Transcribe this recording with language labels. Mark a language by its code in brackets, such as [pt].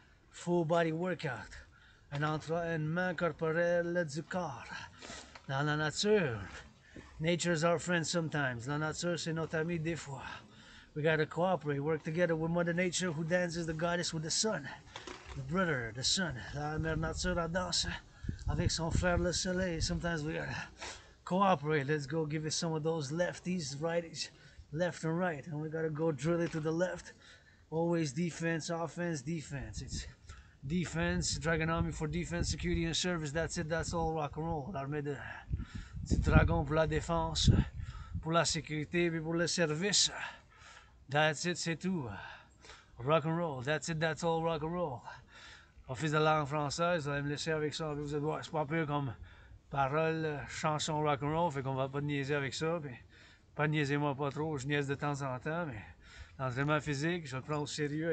[en] Full body workout. [fr] And entre en main corporelle du corps. Dans la nature. [en] Nature is our friend sometimes. [fr] La nature, c'est notre ami des fois. [en] We gotta cooperate, work together with Mother Nature, who dances the goddess with the sun. The brother, the sun. [fr] La mère nature, elle danse avec son frère le soleil. [en] Sometimes we gotta cooperate. Let's go give it some of those lefties, righties, left and right. And we gotta go drill it to the left. Always defense, offense, defense. It's defense, Dragon Army for defense, security, and service. That's it, that's all rock and roll. [fr] L'armée de. Du dragon pour la défense, pour la sécurité et pour le service. [en] That's it, [fr] c'est tout. [en] Rock and roll, that's it, that's all rock and roll. [fr] Office de langue française, vous allez me laisser avec ça. Vous allez voir, c'est pas pire comme parole, chanson rock and roll, fait qu'on va pas niaiser avec ça. Puis, pas niaiser moi pas trop, je niaise de temps en temps, mais l'entraînement physique, je le prends au sérieux.